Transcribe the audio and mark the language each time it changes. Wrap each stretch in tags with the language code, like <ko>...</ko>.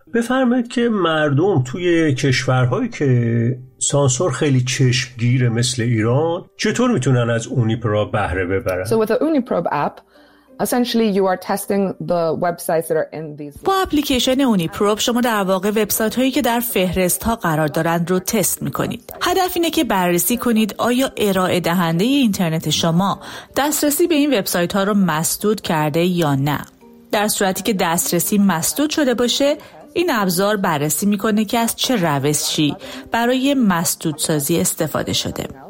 <fa>بفرمایید که مردم توی کشورهایی که سانسور خیلی چشمگیره مثل ایران چطور میتونن از اونیپراب بهره ببرن؟</fa> <en>So with the Uniprob app, essentially you are testing the websites that are in these.</en> <fa>با اپلیکیشن اونیپروب شما در واقع وبسایت‌هایی که در فهرست‌ها قرار دارند رو تست می‌کنید. هدف اینه که بررسی کنید آیا ارائه دهنده اینترنت شما دسترسی به این وبسایت‌ها رو مسدود کرده یا نه. در صورتی که دسترسی مسدود شده باشه، این ابزار بررسی می‌کنه که از چه روشی برای مسدودسازی استفاده شده.</fa>